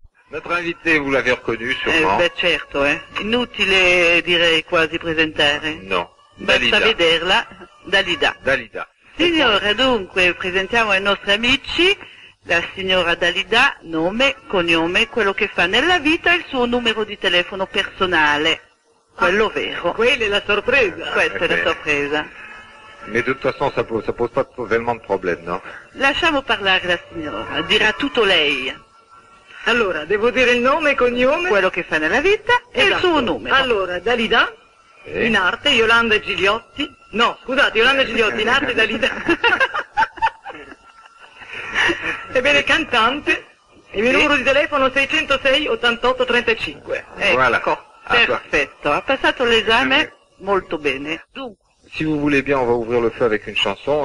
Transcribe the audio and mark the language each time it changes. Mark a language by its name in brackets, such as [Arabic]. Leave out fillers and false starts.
[French] Notre invité, vous l'avez reconnu, sûrement. [Italian] Beh, certo, eh. Inutile, direi, quasi presentare. No. Basta vederla. Dalida. Dalida. Signora, dunque, presentiamo ai nostri amici la signora Dalida, nome, cognome, quello che fa nella vita e il suo numero di telefono personale. Quello vero. Quella è la sorpresa. Questa è la sorpresa. [French] Mais de toute façon, ça pose, pas tellement de problèmes, non? [Italian] Lasciamo parlare la signora, dirà tutto lei. Allora, devo dire il nome e cognome? Quello che fa nella vita e il suo numero. Allora, Dalida, in arte, Yolanda Gigliotti. No, scusate, Yolanda Gigliotti, in arte, Dalida. Ebbene, cantante, il mio numero di telefono 606-88-35. Ecco, voilà. Perfetto, ha passato l'esame molto bene. Dunque. [French] Si vous voulez bien, on va ouvrir le feu avec une chanson.